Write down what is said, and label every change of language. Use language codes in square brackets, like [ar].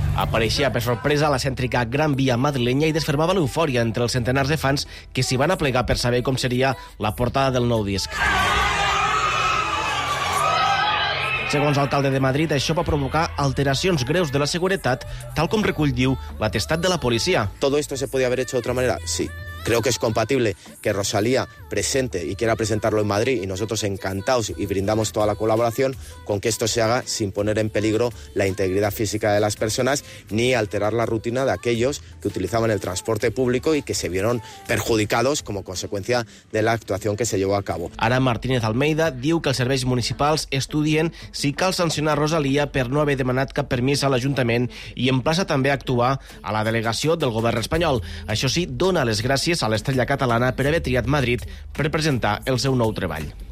[ca] Apareixia per sorpresa a la cèntrica Gran Via madrilenya i desfermava l'eufòria entre els centenars de fans que s'hi van aplegar per saber com seria la portada del nou disc. Segons l'alcalde de Madrid, això va provocar alteracions greus de la seguretat, tal com recull, diu, l'atestat de la policia. [es] Todo esto se podía haber hecho de otra manera, sí. Creo que es compatible que Rosalía presente y quiera presentarlo en Madrid y nosotros encantados y brindamos toda la colaboración con que esto se haga sin poner en peligro la integridad física de las personas ni alterar la rutina de aquellos que utilizaban el transporte público y que se vieron perjudicados como consecuencia de la actuación que se llevó a cabo. [ca] Ara Martínez Almeida diu que els serveis municipals estudien si cal sancionar Rosalía per no haver demanat cap permís a l'Ajuntament i emplaça també a actuar a la delegació del govern espanyol. Això sí, dona les gràcies a l'estrella catalana per haver triat Madrid per presentar el seu nou treball.